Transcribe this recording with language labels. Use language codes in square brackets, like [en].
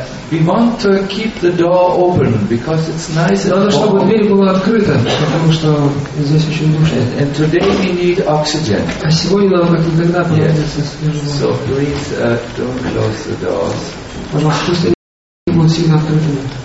[en] We want to keep the door open because it's nice. [ru] Надо, чтобы дверь была открыта, потому что здесь очень душно. [en] And today we need oxygen. [ru] А сегодня нам как никогда понадобится свежий воздух. [en] So please don't close the doors. [ru] Пожалуйста, пусть они будут всегда открытыми.